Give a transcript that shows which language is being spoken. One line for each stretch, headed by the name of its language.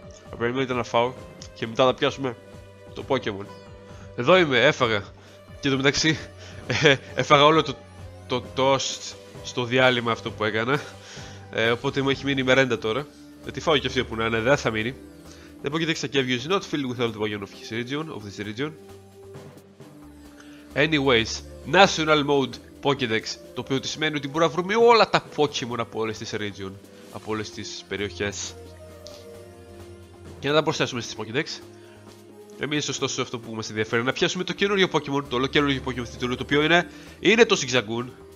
Greek: Θα περιμένετε να φάω και μετά θα πιάσουμε το Pokémon. Εδώ είμαι, έφαγα. Και το μεταξύ, έφαγα όλο το toast στο διάλειμμα αυτό που έκανα. Οπότε μου έχει μείνει η μερέντα τώρα. Γιατί φάω και αυτή που να είναι, δεν θα μείνει.
English: The Pokédex Exacavius is not filled with all the Pokémon of this region. Anyways, National Mode Pokédex.
Greek: Το οποίο τι σημαίνει ότι μπορούμε να βρούμε όλα τα Pokémon από όλες τις region. Από όλες τις περιοχές. Και να τα προσθέσουμε στις Pokédex. Εμείς ωστόσο αυτό που μας ενδιαφέρει είναι να πιάσουμε το καινούργιο Pokémon. Το ολοκαινούργιο Pokémon στην τουλού, το οποίο είναι το Zigzagoon.